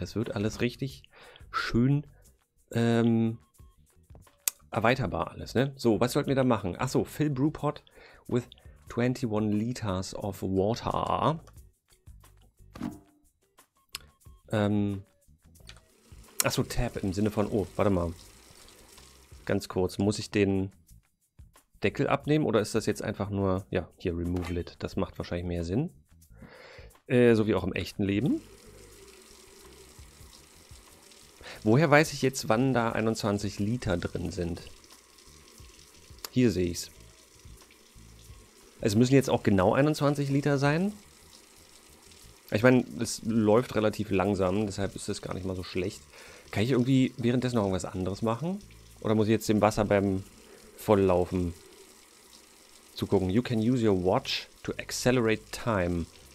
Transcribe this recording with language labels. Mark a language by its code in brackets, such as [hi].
[de] Das wird alles richtig schön erweiterbar alles, ne? So, was sollten wir da machen? [en] Achso, fill brew pot with 21 liters of water. [de] Achso, Tab im Sinne von, oh, warte mal. Ganz kurz, muss ich den Deckel abnehmen oder ist das jetzt einfach nur, ja, hier Remove Lid, das macht wahrscheinlich mehr Sinn. So wie auch im echten Leben. Woher weiß ich jetzt, wann da 21 Liter drin sind? Hier sehe ich's. Es müssen jetzt auch genau 21 Liter sein. Ich meine, es läuft relativ langsam, deshalb ist es gar nicht mal so schlecht. Kann ich irgendwie währenddessen noch irgendwas anderes machen? Oder muss ich jetzt dem Wasser beim Volllaufen zugucken? [en] You can use your watch to accelerate time.